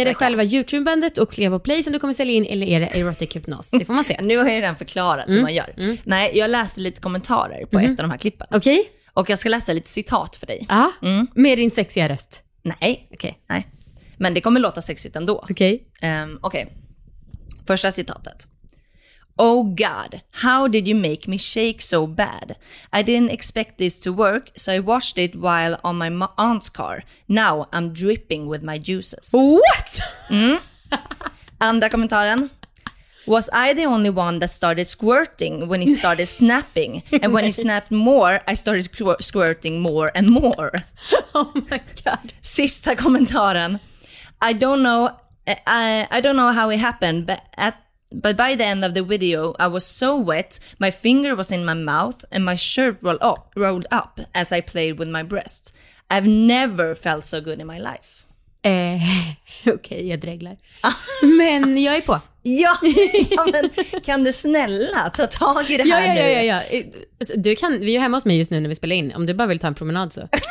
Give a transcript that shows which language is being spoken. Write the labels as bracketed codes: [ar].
[sv] Är det själva YouTube-bandet och Clevo Play som du kommer sälja in, eller är det erotic hypnos? Det får man se. Nu har jag redan förklarat hur man gör. Nej, jag läste lite kommentarer på ett av de här klippen. Okej. Okay. Och jag ska läsa lite citat för dig. Ja, med din sexiga röst. Nej. Okej. Okay. Nej. Men det kommer låta sexigt ändå. Okej. Okej. Första citatet. [en] Oh God, how did you make me shake so bad? I didn't expect this to work, so I washed it while on my aunt's car. Now I'm dripping with my juices. What? [sv] Andra kommentaren. [en] Was I the only one that started squirting when he started snapping? And when he snapped more, I started squirting more and more. Oh my god. [sv] Sista kommentaren. [en] I don't know how it happened, but by the end of the video, I was so wet, my finger was in my mouth and my shirt rolled up as I played with my breast. I've never felt so good in my life. [sv] Okej, jag dreglar. Men jag är på. Ja, men kan du snälla ta tag i det här nu? Ja. Du kan, vi är ju hemma hos mig just nu när vi spelar in. Om du bara vill ta en promenad så.